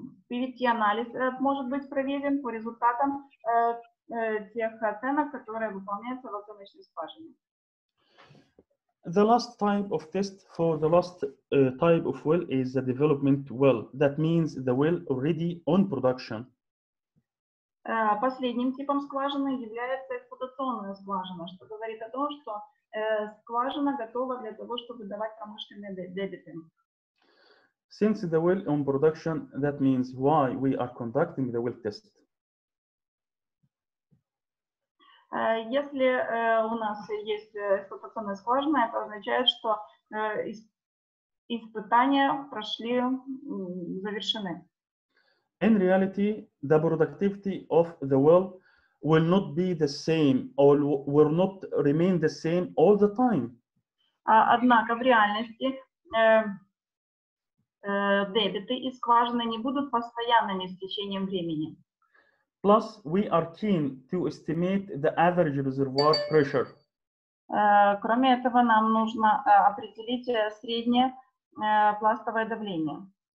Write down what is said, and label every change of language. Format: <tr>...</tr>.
<ru>PVT-анализ может быть проведен по результатам тех оценок, которые выполняются в оценочной скважине.</ru> <en>The last type of test for the last type of well is the development well. That means the well already on production.</en> <ru>Последним типом скважины является эксплуатационная скважина, что говорит о том, что скважина готова для того, чтобы давать промышленные дебиты.</ru> <en>Since the will on production, that means why we are conducting the will test.</en> <ru>Если у нас есть эксплуатационное скважина, это означает, что испытания прошли, завершены.</ru> <en>In reality, the productivity of the well will not be the same or will not remain the same all the time.</en> <ru>Однако в реальности дебиты и скважины не будут постоянными с течением времени.</ru> <en>Plus, we are keen to estimate the average reservoir pressure.</en> <ru>Кроме этого, нам нужно определить среднее пластовое давление.</ru>